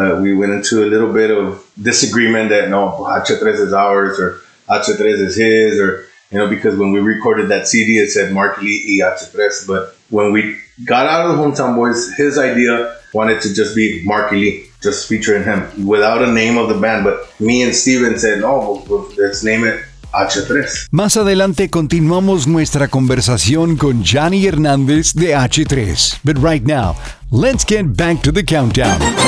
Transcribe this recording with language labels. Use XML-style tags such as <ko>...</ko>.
<en>We went into a little bit of disagreement that no, H3 is ours or H3 is his, or, you know, because when we recorded that CD, it said Marky Lee y H3. But when we got out of the Hometown Boys, his idea wanted to just be Marky Lee, just featuring him without a name of the band. But me and Steven said, no, let's name it H3.</en> <es>Más adelante continuamos nuestra conversación con Johnny Hernández de H3.</es> <en>But right now, let's get back to the countdown.</en>